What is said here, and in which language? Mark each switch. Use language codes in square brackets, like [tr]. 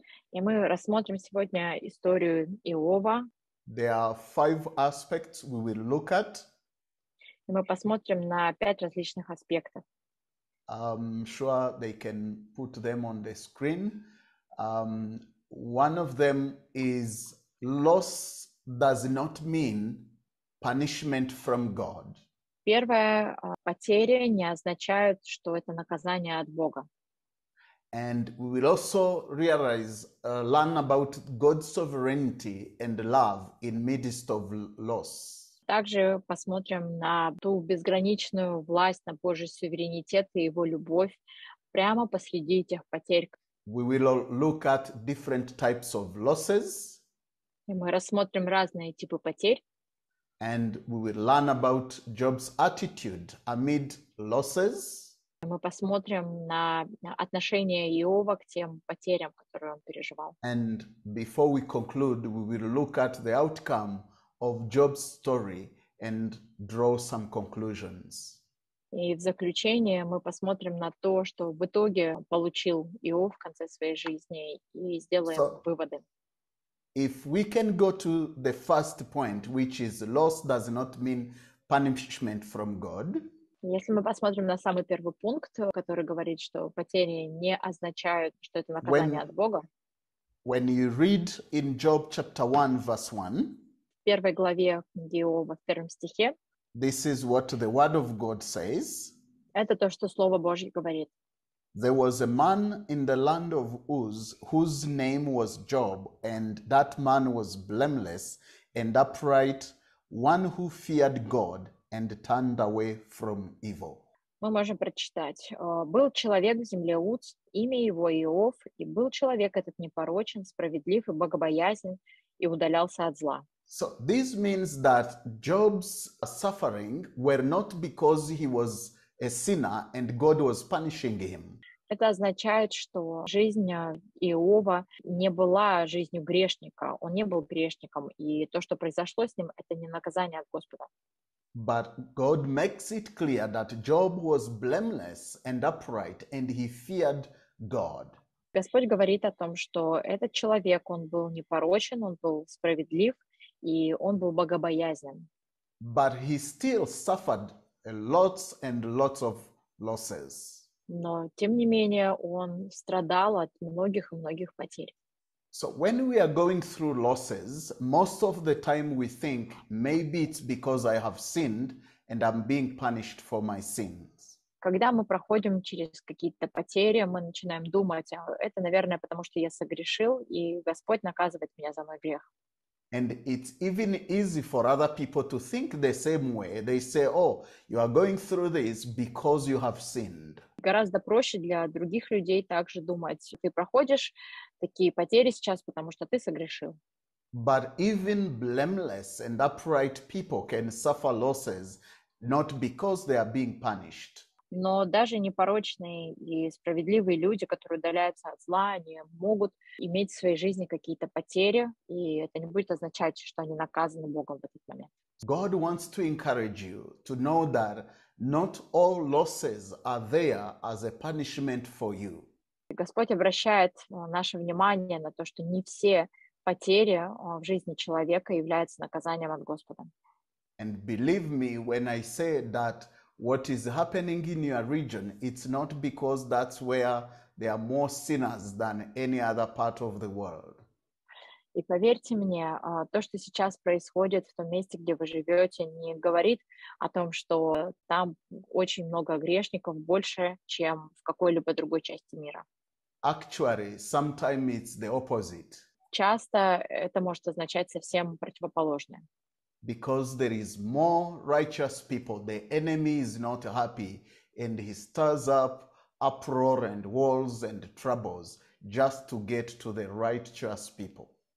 [ru] И мы рассмотрим сегодня историю Иова. [en] There are five aspects we will look at. [ru] И мы посмотрим на пять различных аспектов. [en] I'm sure they can put them on the screen. One of them is loss does not mean punishment from God. [ru] Первое, потери не означают, что это наказание от Бога. [en] And we will also realize, learn about God's sovereignty and love in midst of loss. [ru] Также посмотрим на ту безграничную власть, на Божий суверенитет и его любовь прямо посреди этих потерь. [en] We will look at different types of losses. [ru] И мы рассмотрим разные типы потерь. [en] And we will learn about Job's attitude amid losses. [ru] Мы посмотрим на отношение Иова к тем потерям, которые он переживал. [en] And before we conclude, we will look at the outcome of Job's story and draw some conclusions. [ru] И в заключение мы посмотрим на то, что в итоге получил Иов в конце своей жизни, и сделаем выводы. [en] If we can go to the first point, which is loss does not mean punishment from God. [ru] Если мы посмотрим на самый первый пункт, который говорит, что потери не означают, что это наказание от Бога. [en] When you read in Job chapter 1, verse 1, [ru] в первой главе Иова, в первом стихе, [en] this is what the word of God says. [ru] Это то, что Слово Божье говорит. [en] There was a man in the land of Uz, whose name was Job, and that man was blameless and upright, one who feared God and turned away from evil. [ru] Мы можем прочитать. Был человек в земле Уц, имя его Иов, и был человек этот непорочен, справедлив и богобоязнен, и удалялся от зла. [en] So this means that Job's suffering were not because he was a sinner and God was punishing him. [ru] Это означает, что жизнь Иова не была жизнью грешника. Он не был грешником, и то, что произошло с ним, это не наказание от Господа. [en] But God makes it clear that Job was blameless and upright, and he feared God. [ru] Господь говорит о том, что этот человек, он был непорочен, он был справедлив, и он был богобоязнен. [en] But he still suffered lots and lots of losses. [ru] Но, тем не менее, он страдал от многих и многих потерь. [en] So when we are going through losses, most of the time we think, maybe it's because I have sinned and I'm being punished for my sins. [ru] Когда мы проходим через какие-то потери, мы начинаем думать, это, наверное, потому что я согрешил, и Господь наказывает меня за мой грех. [en] And it's even easy for other people to think the same way. They say, oh, you are going through this because you have sinned. [ru] Гораздо проще для других людей также думать. Ты проходишь такие потери сейчас, потому что ты согрешил. [en] But even blameless and upright people can suffer losses not because they are being punished. [ru] Но даже непорочные и справедливые люди, которые удаляются от зла, они могут иметь в своей жизни какие-то потери, и это не будет означать, что они наказаны Богом в этот момент. [en] God wants to encourage you to know that not all losses are there as a punishment for you. [ru] Господь обращает наше внимание на то, что не все потери в жизни человека являются наказанием от Господа. [en] And believe me when I say that what is happening in your region, it's not because that's where there are more sinners than any other part of the world. [ru] И поверьте мне, то, что сейчас происходит в том месте, где вы живете, не говорит о том, что там очень много грешников, больше, чем в какой-либо другой части мира. [en] Actually, sometimes it's the opposite. [ru] Часто это может означать совсем противоположное. [en] Because there is more righteous people, the enemy is not happy, and he stirs up uproar and wars and troubles just to get to the righteous people.